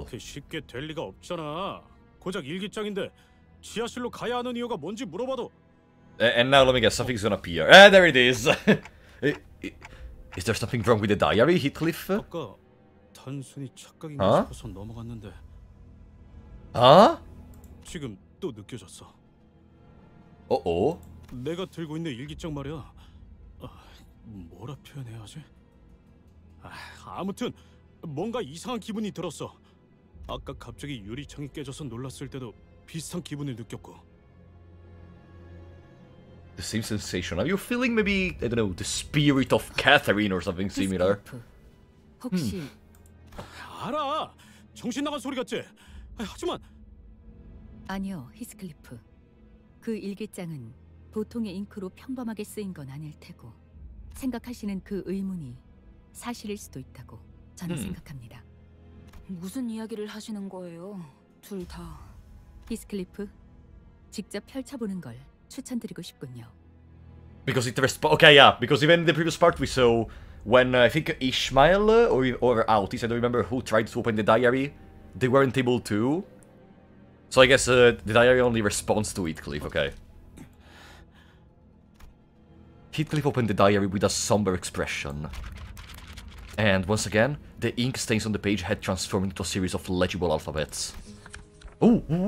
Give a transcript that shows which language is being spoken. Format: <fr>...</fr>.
<ko>그렇게 쉽게 될 리가 없잖아. 고작 일기장인데 지하실로 가야 하는 이유가 뭔지 물어봐도.</ko> <en>And now let me guess, something's gonna appear. Ah, there it is. Is there something wrong with the diary, Heathcliff?</en> <ko>아까 단순히 착각인가 싶어서 넘어갔는데. 아? 지금 또 느껴졌어. 어어? 내가 들고 있는 일기장 말이야. 뭐라 표현해야 하지? 아무튼. 뭔가 이상한 기분이 들었어. 아까 갑자기 유리창이 깨져서 놀랐을 때도 비슷한 기분을 느꼈고.</ko> <en>The same sensation. Are you feeling maybe, I don't know, the spirit of Catherine or something similar?</en> <ko>혹시 알아. 정신 나간 소리 같지? 하지만 아니요, 히스클리프. 그 일기장은 보통의 잉크로 평범하게 쓰인 건 아닐 테고 생각하시는 그 의문이 사실일 수도 있다고. 저는 생각합니다. 무슨 이야기를 하시는 거예요? 둘 다. 히스클리프, 직접 펼쳐보는 걸 추천드리고 싶군요.</ko> <en>Because it responds. Okay, yeah. Because even in the previous part we saw when I think Ishmael or Outis, I don't remember who tried to open the diary, they weren't able to. So I guess the diary only responds to it, Cliff. Okay. Heathcliff opened the diary with a somber expression. And once again, the ink stains on the page had transformed into a series of legible alphabets. Ooh!</en>